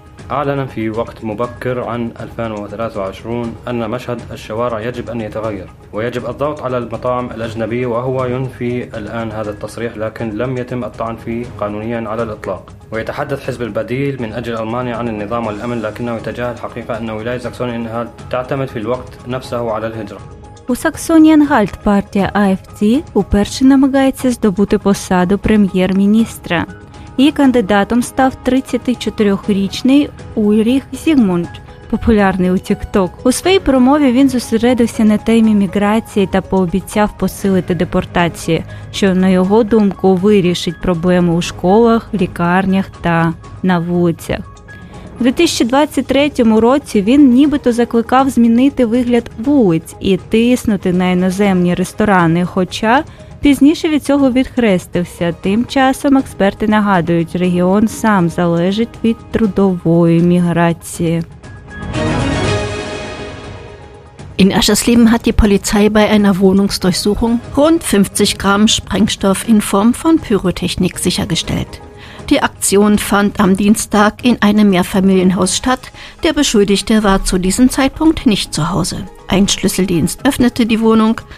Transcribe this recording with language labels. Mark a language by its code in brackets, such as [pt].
[ar] أعلن في وقت مبكر عن 2023 أن مشهد الشوارع يجب أن يتغير ويجب الضغط على المطاعم الأجنبية وهو ينفي الآن هذا التصريح لكن لم يتم الطعن فيه قانونيا على الإطلاق ويتحدث حزب البديل من أجل ألمانيا عن النظام والأمن لكنه يتجاهل الحقيقة أن ولاية ساكسونيا أنها تعتمد في الوقت نفسه على الهجرة [uk] У Саксонії-Анхальт партія AfD уперше намагається здобути посаду прем'єр-міністра. Її кандидатом став 34-річний Ульріх Зігмунд, популярний у TikTok. У своїй промові він зосередився на темі міграції та пообіцяв посилити депортацію, що, на його думку, вирішить проблеми у школах, лікарнях та на вулицях. У 2023 році він нібито закликав змінити вигляд вулиць і тиснути на іноземні ресторани, хоча пізніше від цього відхрестився. Тим часом експерти нагадують, регіон сам залежить від трудової міграції. [de] In Aschersleben hat die Polizei bei einer Wohnungsdurchsuchung rund 50 Gramm Sprengstoff in Form von Pyrotechnik sichergestellt. Die Aktion fand am Dienstag in einem Mehrfamilienhaus statt. Der Beschuldigte war zu diesem Zeitpunkt nicht zu Hause. Ein Schlüsseldienst öffnete die Wohnung.